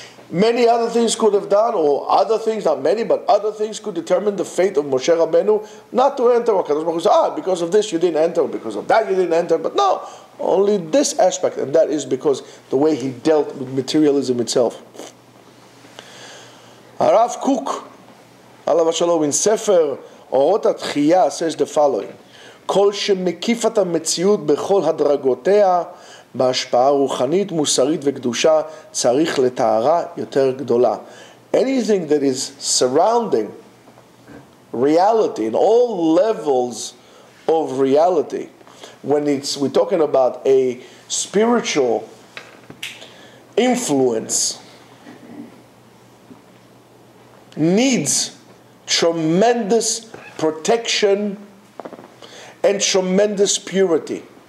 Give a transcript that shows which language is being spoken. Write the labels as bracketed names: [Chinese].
[English] Many other things could have done, or other things, not many, but other things could determine the fate of Moshe Rabbeinu not to enter. HaKadosh Baruch Hu said, because of this you didn't enter, because of that you didn't enter. But no, only this aspect, and that is because the way he dealt with materialism itself. [Hebrew] הרב קוק, עליו השלום, in ספר אורות התחייה, [English] says the following, [Hebrew] כל שמקיף את המציאות בכל הדרגותיה, בהשפעה רוחנית, מוסרית וקדושה, צריך לתארה יותר גדולה. [English] Anything that is surrounding reality, in all levels of reality, when it's we're talking about a spiritual influence, needs tremendous protection and tremendous purity.